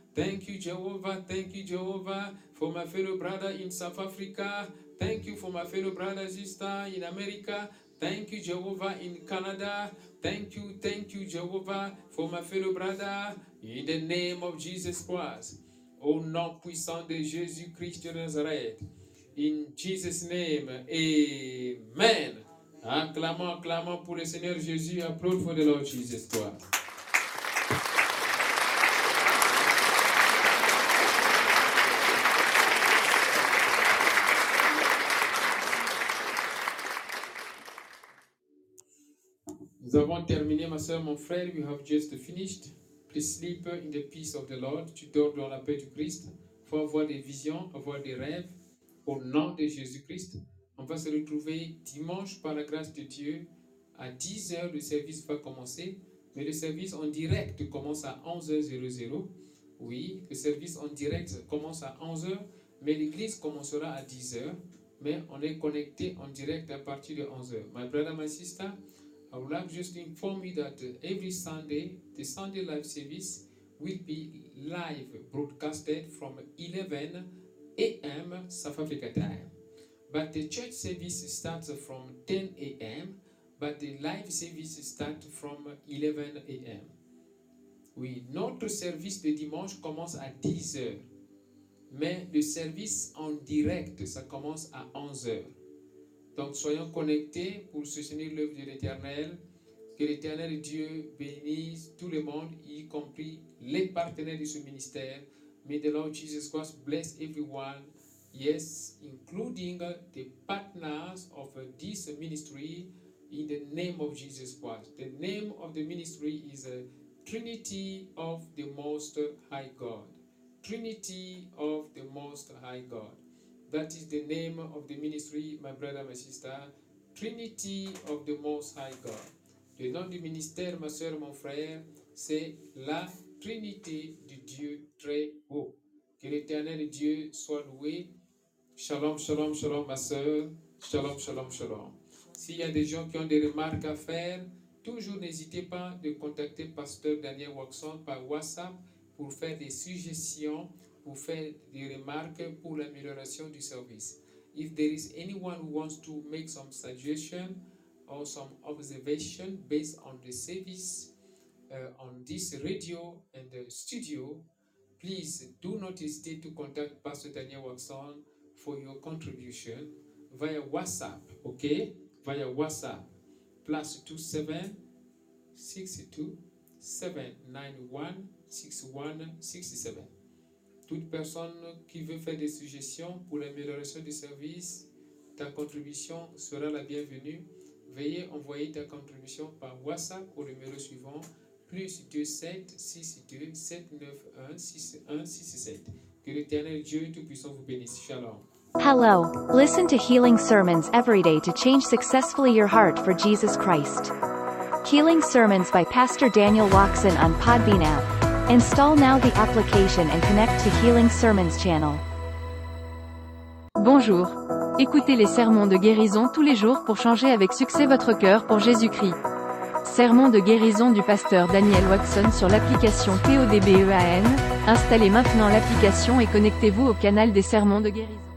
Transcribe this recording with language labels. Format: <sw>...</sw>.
<en>Thank you, Jehovah. Thank you, Jehovah, for my fellow brother in South Africa. Thank you for my fellow brother and sister in America. Thank you, Jehovah, in Canada. Thank you, Jehovah, for my fellow brother in the name of Jesus Christ.</en> <fr>au nom puissant de Jésus-Christ de Nazareth.</fr> <en>In Jesus' name, Amen.</en> <fr>Acclamons, acclamons pour le Seigneur Jésus,</fr> <en>applaud for the Lord Jesus Christ.</en> <fr>Nous avons terminé, ma soeur, mon frère,</fr> <en>we have just finished. Please sleep in the peace of the Lord.</en> <fr>Tu dors dans la paix du Christ. Il faut avoir des visions, avoir des rêves. Au nom de Jésus-Christ, on va se retrouver dimanche par la grâce de Dieu. À 10h, le service va commencer. Mais le service en direct commence à 11h00. Oui, le service en direct commence à 11h. Mais l'église commencera à 10h. Mais on est connecté en direct à partir de 11h.</fr> <en>My brother, my sister, I would like just to inform you that every Sunday, the Sunday live service will be live broadcasted from 11 a.m. South Africa time. But the church service starts from 10 a.m., but the live service starts from 11 a.m.</en> <fr>Oui, notre service de dimanche commence à 10 heures, mais le service en direct, ça commence à 11 heures. Donc, soyons connectés pour soutenir l'œuvre de l'Éternel. Que l'Éternel Dieu bénisse tout le monde, y compris les partenaires de ce ministère.</fr> <en>May the Lord Jesus Christ bless everyone. Yes, including the partners of this ministry in the name of Jesus Christ. The name of the ministry is Trinity of the Most High God. Trinity of the Most High God. That is the name of the ministry, my brother, my sister. Trinity of the Most High God.</en> <fr>Le nom du ministère, ma soeur, mon frère, c'est la Trinité du Dieu très haut. Que l'Éternel Dieu soit loué. Shalom, shalom, shalom, ma soeur. Shalom, shalom, shalom. S'il y a des gens qui ont des remarques à faire, toujours n'hésitez pas de contacter Pasteur Daniel Watson par WhatsApp pour faire des suggestions. Pour faire des remarques pour l'amélioration du service.</fr> <en>If there is anyone who wants to make some suggestion or some observation based on the service on this radio and the studio, please do not hesitate to contact Pastor Daniel Watson for your contribution via WhatsApp, okay? Via WhatsApp, +27 62 791 6167.</en> <fr>Toute personne qui veut faire des suggestions pour l'amélioration du service, ta contribution sera la bienvenue. Veuillez envoyer ta contribution par WhatsApp au numéro suivant, +27 62 791 6167. Que l'Éternel Dieu Tout-Puissant vous bénisse. Shalom.</fr> <en>Hello. Listen to healing sermons every day to change successfully your heart for Jesus Christ. Healing sermons by Pastor Daniel Watson on Podbean app. Install now the application and connect to Healing Sermons channel.</en> <fr>Bonjour. Écoutez les sermons de guérison tous les jours pour changer avec succès votre cœur pour Jésus-Christ. Sermon de guérison du pasteur Daniel Watson sur l'application PODBEAN. Installez maintenant l'application et connectez-vous au canal des sermons de guérison.</fr>